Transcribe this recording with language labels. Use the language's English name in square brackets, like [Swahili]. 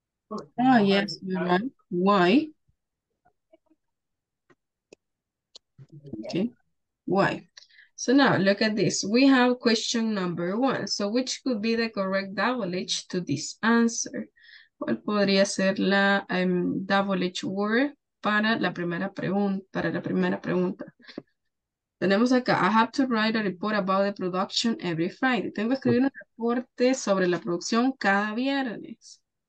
[English] Oh, yes, you're right. Why? Okay. Why? So now look at this. We have question number one. So which could be the correct double H to this answer? [Spanish] ¿Cuál podría ser la double H word para la primera pregunta? Para la primera pregunta. Tenemos acá, [English] I have to write a report about the production every Friday. [Spanish] Tengo que escribir un reporte sobre la producción cada viernes.